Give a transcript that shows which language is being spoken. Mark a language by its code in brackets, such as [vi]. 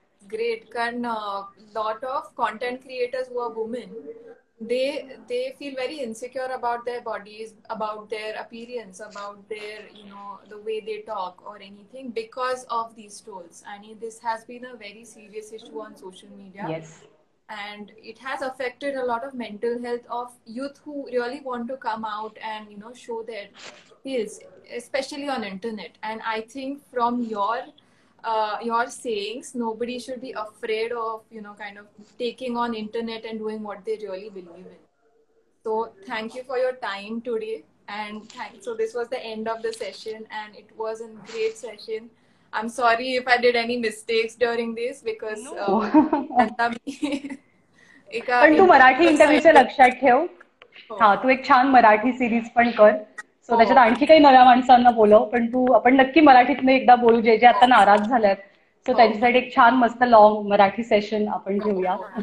[en] Great, कारण lot of content creators who are women, they feel very insecure about their bodies, about their appearance, about their you know the way they talk or anything, because of these trolls. [mr] आणि [en] This has been a very serious issue on social media. Yes. And it has affected a lot of mental health of youth who really want to come out and, you know, show their skills, especially on internet. And I think from your sayings, nobody should be afraid of, you know, kind of taking on internet and doing what they really believe in. So thank you for your time today. And so this was the end of the session and it was a great session. I'm sorry if I did any mistakes during this because [mr] पण तू मराठी इंटरव्ह्यूच्या लक्षात ठेव. हा, तू एक छान Marathi series पण कर. So त्याच्यात आणखी काही नव्या माणसांना बोलव, पण तू आपण नक्की मराठीत एकदा बोलू, जे जे आता नाराज झालेत. सो त्यांच्यासाठी एक छान मस्त लॉंग मराठी सेशन आपण घेऊया.